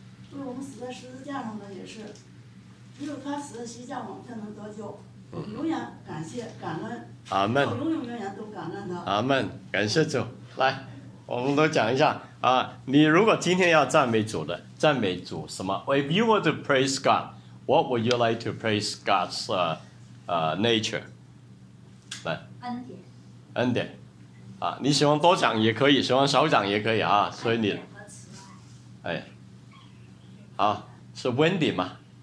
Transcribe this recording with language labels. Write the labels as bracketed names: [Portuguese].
[Chinese] 就是我们死在十字架上的也是，只有他死在十字架，我们才能得救。永远感谢感恩，阿门，永远永远都感恩的，阿门，感谢主。来，我们都讲一下啊，你如果今天要赞美主的，赞美主什么？ [English] If you were to praise God, what would you like to praise God's nature? [Chinese] 来，恩典，恩典啊，你喜欢多讲也可以，喜欢少讲也可以啊，所以你，哎，好，是 Wendy 吗？